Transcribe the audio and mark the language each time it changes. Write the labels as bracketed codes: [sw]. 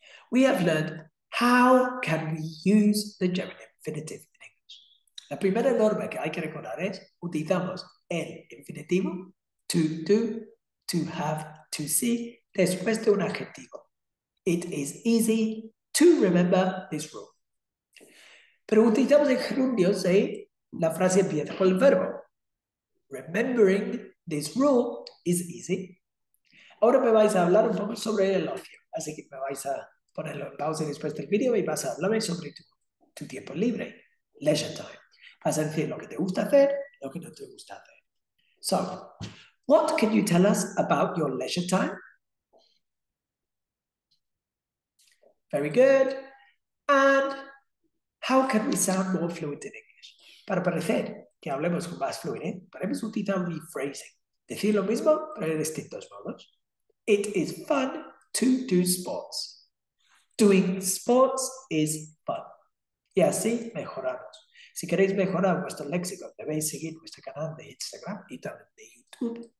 [en] We have learned how can we use the gerund infinitive in English. [es] La primera norma que hay que recordar es utilizamos el infinitivo [en] to do, to have, to see, [es] después de un adjetivo. [en] It is easy to remember this rule. [es] Pero utilizamos el gerundio, ¿sí? La frase empieza con el verbo. [en] Remembering this rule is easy. [es] Ahora me vais a hablar un poco sobre el ocio. Así que me vais a ponerlo en pausa después del vídeo y vas a hablarme sobre tu tiempo libre. [en] Leisure time. [es] Vas a decir lo que te gusta hacer, lo que no te gusta hacer. [en] So, what can you tell us about your leisure time? Very good. And how can we sound more fluent in English? [es] Para parecer que hablemos con más fluidez, podemos utilizar rephrasing. Decir lo mismo, pero en distintos modos. [en] It is fun to do sports. Doing sports is fun. [es] Y así mejoramos. Si queréis mejorar vuestro léxico, debéis seguir nuestro canal de Instagram y también de YouTube.